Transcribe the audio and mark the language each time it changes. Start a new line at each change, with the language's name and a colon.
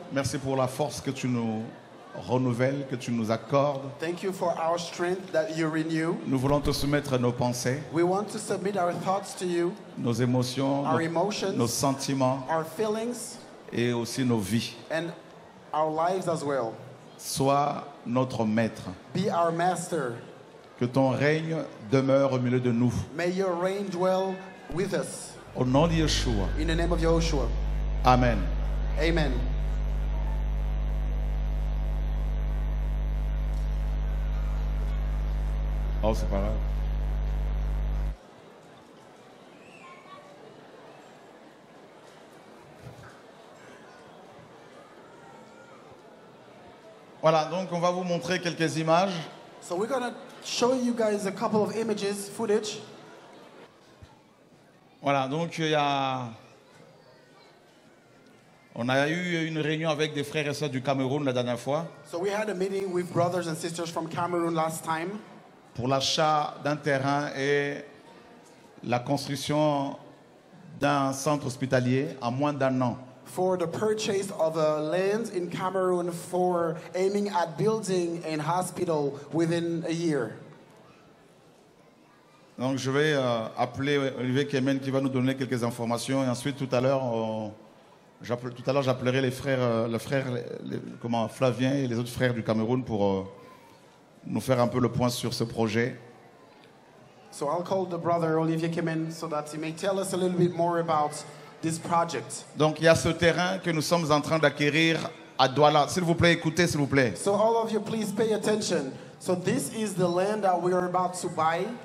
French: Merci pour la force que tu nous renouvelles, que tu nous accordes.
English: Thank you for our strength that you renew.
French: Nous voulons te soumettre nos pensées.
English: We want to submit our thoughts to you.
French: Nos émotions,
English: our emotions,
French: nos sentiments,
English: our feelings,
French: et aussi nos vies.
English: And our lives as well.
French: Sois notre maître.
English: Be our master.
French: Que ton règne demeure au milieu de nous.
English: May your reign dwell with us.
French: Au nom de Yeshua.
English: In the name of Yeshua. Amen. Amen.
French: Oh, c'est pas grave. Voilà, donc on va vous montrer quelques images.
English: So we're gonna show you guys a couple of images, footage.
French: Voilà, donc on a eu une réunion avec des frères et sœurs du Cameroun la dernière fois.
English: So we had a meeting with brothers and sisters from Cameroon last time.
French: Pour l'achat d'un terrain et la construction d'un centre hospitalier en moins d'un an.
English: For the purchase of a land in Cameroon for aiming at building a hospital within a year.
French: Donc je vais appeler Olivier Kemen qui va nous donner quelques informations et ensuite tout à l'heure j'appellerai les frères Flavien et les autres frères du Cameroun pour nous faire un peu le point sur ce projet.
English: So I'll call the brother Olivier Kemen so that he may tell us a little bit more about this project.
French: Donc il y a ce terrain que nous sommes en train d'acquérir à Douala. S'il vous plaît, écoutez s'il vous plaît.
English: So all of you please pay attention. So this is the land that we are about to buy.